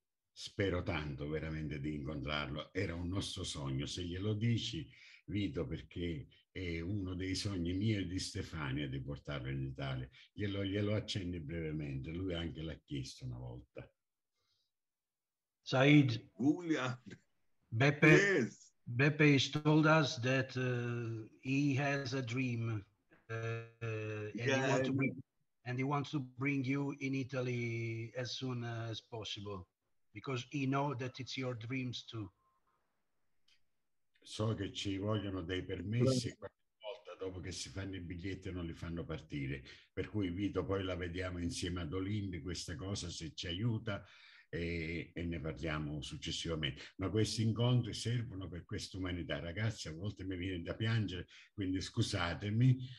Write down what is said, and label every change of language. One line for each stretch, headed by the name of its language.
Italian: Spero tanto veramente di incontrarlo. Era un nostro sogno, se glielo dici, Vito, perché è uno dei sogni miei e di Stefania di portarlo in Italia. Glielo accenni brevemente, lui anche l'ha chiesto una volta.
English: Said, Giulia, Beppe, yes. Beppe has told us that he has a dream and he wants to bring you in Italy as soon as possible. Because he know that it's your dreams too.
Italian: So che ci vogliono dei permessi qualche volta dopo che si fanno i biglietti non li fanno partire. Per cui Vito poi la vediamo insieme ad Olindi questa cosa se ci aiuta e ne parliamo successivamente. Ma questi incontri servono per questa umanità. Ragazzi, a volte mi viene da piangere, quindi scusatemi.